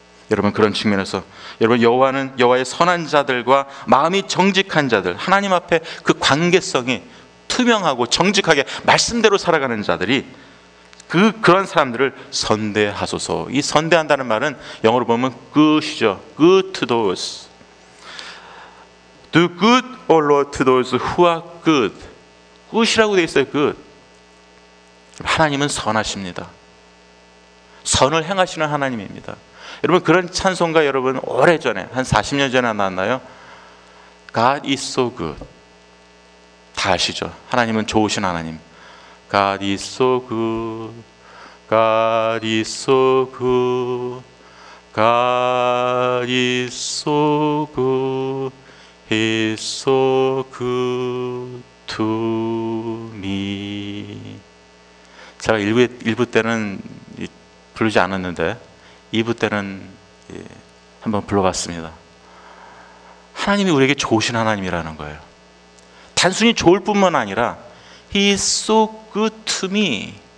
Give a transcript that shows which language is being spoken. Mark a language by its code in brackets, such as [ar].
[ko] 여러분, 그런 측면에서 여러분, 여호와는 여호와의 선한 자들과 마음이 정직한 자들, 하나님 앞에 그 관계성이 투명하고 정직하게 말씀대로 살아가는 자들이 그런 사람들을 선대하소서. 이 선대한다는 말은 영어로 보면 good이죠. [en] Good to those. Do good, O Lord, to those who are good. [ko] Good이라고 되어 있어요. Good. 하나님은 선하십니다. 선을 행하시는 하나님입니다. 여러분, 그런 찬송가 여러분 오래전에 한 40년 전에 나왔나요? [en] God is so good. [ko] 다 아시죠? 하나님은 좋으신 하나님. [en] God is so good. God is so good. God is so good. He's so good to me. [ko] 제가 1부 때는 부르지 않았는데 2부 때는 한번 불러봤습니다. 하나님이 우리에게 좋으신 하나님이라는 거예요. 단순히 좋을 뿐만 아니라 [en] He is so good to me.